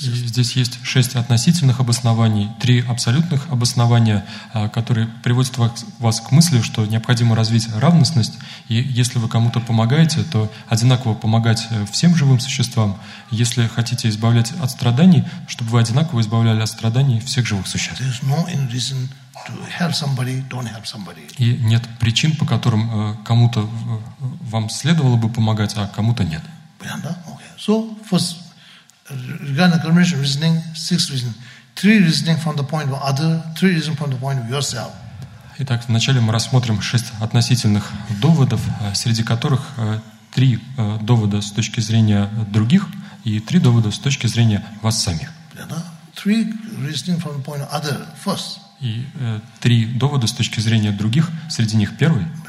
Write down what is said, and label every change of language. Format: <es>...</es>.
<ru>Здесь есть шесть относительных обоснований, три абсолютных обоснования, которые приводят вас к мысли, что необходимо развить равностность, и если вы кому-то помогаете, то одинаково помогать всем живым существам. Если хотите избавлять от страданий, чтобы вы одинаково избавляли от страданий всех живых существ.</ru> <en>There's no reason to help somebody, don't help somebody.</en> <ru>И нет причин, по которым кому-то вам следовало бы помогать, а кому-то нет. Понятно?</ru> <en>Okay. So first, regarding the combination reasoning, six reasons. Three reasoning from the point of other, three reasons from the point of yourself.</en> <ru>Итак, вначале мы рассмотрим шесть относительных доводов, среди которых три довода с точки зрения других и три довода с точки зрения вас самих.</ru> <en>Three reasoning from the point of other, first.</en> <ru>И три довода с точки зрения других, среди них первый.</ru>